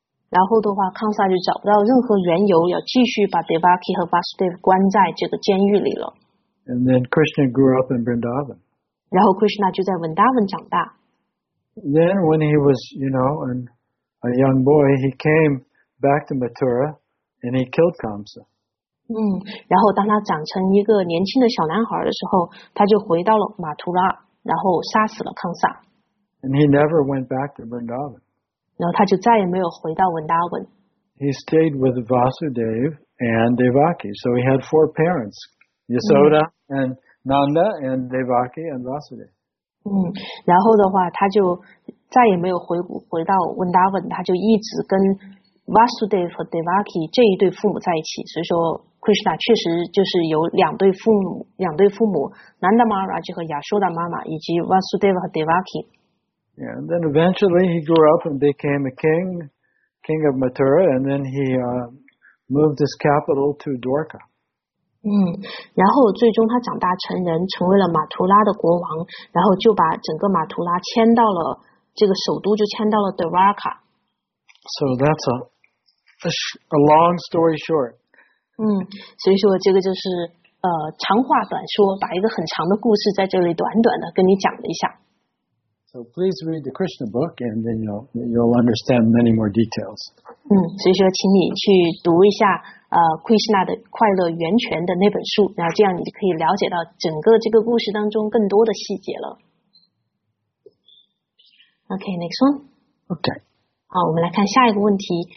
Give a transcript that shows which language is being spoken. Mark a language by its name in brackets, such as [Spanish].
[Chinese] 然后的话，康萨就找不到任何缘由要继续把 Devaki 和 Vasudev 关在这个监狱里了。 [English] And then Krishna grew up in Vrindavan. [Chinese] 然后 Krishna 就在 Vrindavan 长大。 [English] Then when he was, you know, a young boy, he came back to Mathura and he killed Kamsa. [Chinese] 然后当他长成一个年轻的小男孩的时候，他就回到了马图拉。然后杀死了康萨。 [English] And he never went back to Vrindavan. [Chinese] 然后他就再也没有回到 Vrindavan. [English] He stayed with Vasudev and Devaki. So he had four parents, Yasoda and Nanda and Devaki and Vasudev. [Chinese] 然后的话他就再也没有回到 Vrindavan, 他就一直跟 Vasudev 和 Devaki 这一对父母在一起。所以说Krishna 确实就是有两对父母 Nanda Maharaj 和 Yashoda 妈妈以及 Vasudeva 和 Devaki。 [English] Yeah, and then eventually he grew up and became a king, king of Mathura, and then he moved his capital to Dwarka. [Chinese] 然后最终他长大成人，成为了马图拉的国王，然后就把整个马图拉迁到了这个首都，就迁到了 Dwarka。 [English] So that's a long story short. [Chinese] 所以说这个就是长话短说，把一个很长的故事在这里短短的跟你讲了一下。 [English] So please read the Krishna book, and then you'll understand many more details. [Chinese] 所以说请你去读一下Krishna 的快乐源泉的那本书，然后这样你就可以了解到整个这个故事当中更多的细节了。 [English] Okay, next one. Okay. [Chinese] 好，我们来看下一个问题。